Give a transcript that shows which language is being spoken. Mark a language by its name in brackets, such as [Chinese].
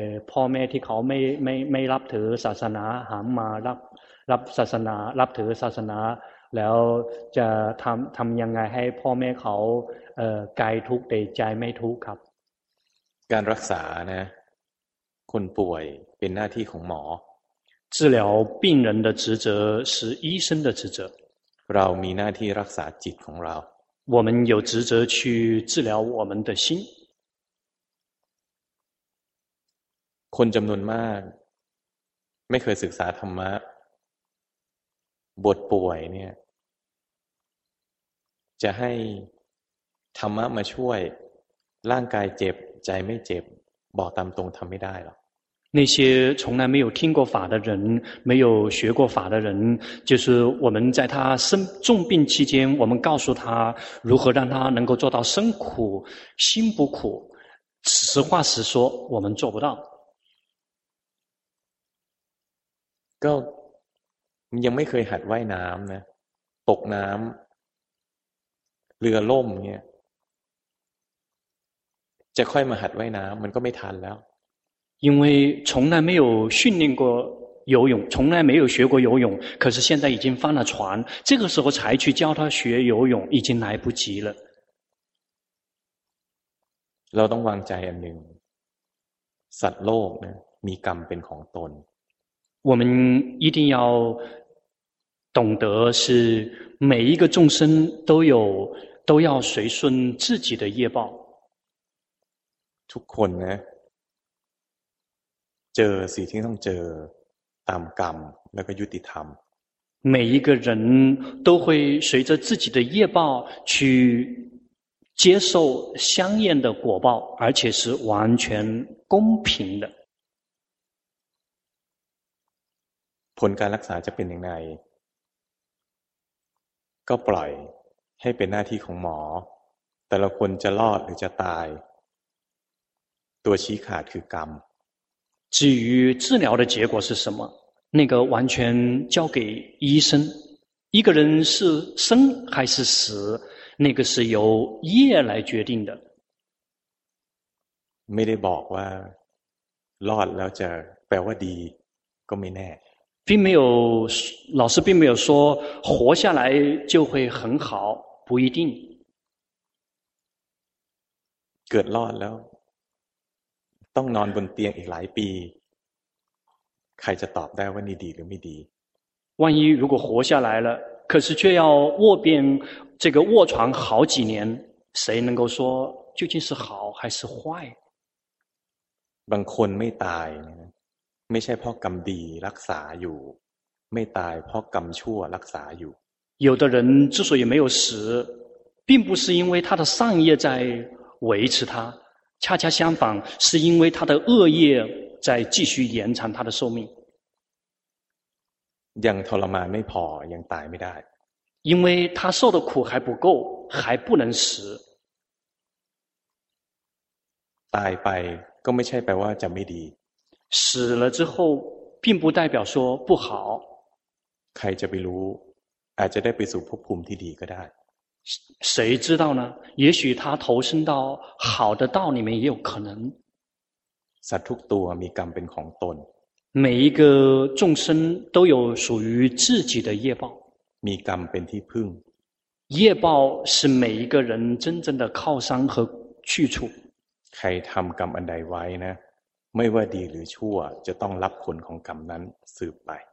[Thai] พ่อแม่ที่เขาไม่รับถือศาสนาหามมารับศาสนารับถือศาสนาแล้วจะทำยังไงให้พ่อแม่เขากายทุกข์แต่ใจไม่ทุกข์ครับ การรักษานะคนป่วยเป็นหน้าที่ของหมอ [Chinese] 治疗病人的职责是医生的职责。 [Thai] เรามีหน้าที่รักษาจิตของเรา。 [Chinese] 我们有职责去治疗我们的心。 [Thai] คนจำนวนมากไม่เคยศึกษาธรรมะบวชป่วยเนี่ยจะให้ธรรมะมาช่วยร่างกายเจ็บใจไม่เจ็บบอกตามตรงทำไม่ได้หรอก [Chinese] 那些从来没有听过法的人，没有学过法的人，就是我们在他生重病期间，我们告诉他如何让他能够做到生苦心不苦，实话实说，我们做不到。 [Thai] ก็ยังไม่เคยหัดว่ายน้ำนะตกน้ำเรือล่มเนี่ยจะค่อยมาหัดว่ายน้ำมันก็ไม่ทันแล้ว [Chinese] 因为从来没有训练过游泳，从来没有学过游泳，可是现在已经翻了船，这个时候才去教他学游泳，已经来不及了。 [Thai] เราต้องวางใจอันหนึ่ง สัตว์โลกนะ มีกรรมเป็นของตน [Chinese] 我们一定要懂得是每一个众生都要随顺自己的业报。 [Thai] ทุกคนนะเจอสิ่งที่ต้องเจอตามกรรมแล้วก็ยุติธรรม [Chinese] 每一个人都会随着自己的业报去接受相应的果报而且是完全公平的 [Thai] ผลการรักษาจะเป็นยังไงก็ปล่อยให้เป็นหน้าที่ของหมอแต่ละคนจะรอดหรือจะตายตัวชี้ขาดคือกรรม [Chinese] 至于治疗的结果是什么，那个完全交给医生。一个人是生还是死，那个是由业来决定的。 [Thai] ไม่ได้บอกว่ารอดแล้วจะแปลว่าดีก็ไม่แน่ [Chinese] 并没有老师并没有说活下来就会很好不一定 [Thai] เกิดรอดแล้วต้องนอนบนเตียงอีกหลายปีใครจะตอบได้ว่านี่ดีหรือไม่ดี [Chinese] 万一如果活下来了可是却要卧便这个卧床好几年谁能够说究竟是好还是坏 [Thai] บางคนไม่ตายไม่ใช่เพราะกรรมดีรักษาอยู่ไม่ตายเพราะกรรมชั่วรักษาอยู่ [Chinese] 有的人之所以没有死并不是因为他的善业在维持他恰恰相反是因为他的恶业在继续延长他的寿命 [Thai] ยังทรมานไม่พอยังตายไม่ได้ [Chinese] 因为他受的苦还不够还不能死 [Thai] ตายไปก็ไม่ใช่แปลว่าจะไม่ดี [Chinese] 死了之后并不代表说不好 [Thai] ใครจะไปรู้อาจจะได้ไปสู่ภพภูมิที่ดีก็ได้ [Chinese] 谁知道呢也许他投身到好的道里面也有可能 [Thai] สัตว์ทุกตัวมีกรรมเป็นของตน [Chinese] 每一个众生都有属于自己的业报 [Thai] มีกรรมเป็นที่พึ่ง [Chinese] 业报是每一个人真正的靠山和去处 [Thai] ใครทำกรรมอันใดไว้นะไม่ว่าดีหรือชั่วจะต้องรับผลของกรรมนั้นสืบไป